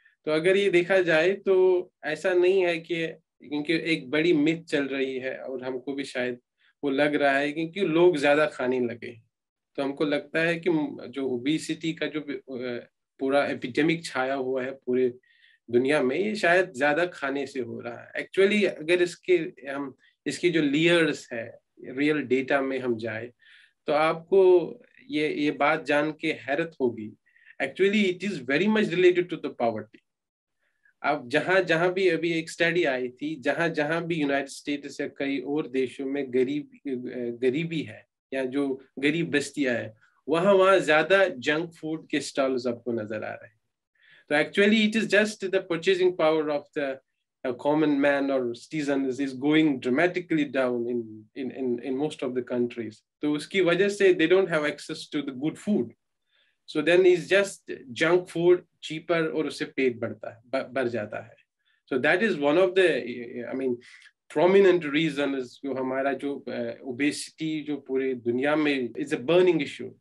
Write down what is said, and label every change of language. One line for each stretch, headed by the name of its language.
Urdu: تو اگر یہ دیکھا جائے تو ایسا نہیں ہے کہ, کیونکہ ایک بڑی میتھ چل رہی ہے اور ہم کو بھی شاید وہ لگ رہا ہے کیونکہ لوگ زیادہ کھانے لگے, تو ہم کو لگتا ہے کہ جو اوبیسٹی کا جو پورا ایپیڈیمک چھایا ہوا ہے پورے دنیا میں, یہ شاید زیادہ کھانے سے ہو رہا ہے. ایکچولی اگر اس کی جو لیئرز ہے ریئل ڈیٹا میں ہم جائے تو آپ کو یہ بات جان کے حیرت ہوگی.
English: Actually it is very much related to the poverty.
Urdu: اب جہاں جہاں بھی, ابھی ایک اسٹڈی آئی تھی, جہاں جہاں بھی یونائٹڈ اسٹیٹس یا کئی اور دیشوں میں غریبی ہے یا جو غریب بستیاں ہیں, وہاں وہاں زیادہ جنک فوڈ کے سٹالز آپ کو نظر آ رہے ہیں.
English: تو actually it is just the purchasing power of the common man or citizen is going dramatically down in most of the countries.
Urdu: تو اس کی وجہ سے
English: they don't have access to the good food, so then is just junk food cheaper
Urdu: اور اس سے پیٹ بھر جاتا ہے.
English: so that is one of the prominent reasons
Urdu: جو ہمارا جو
English: obesity
Urdu: جو پورے دنیا میں
English: is a burning issue.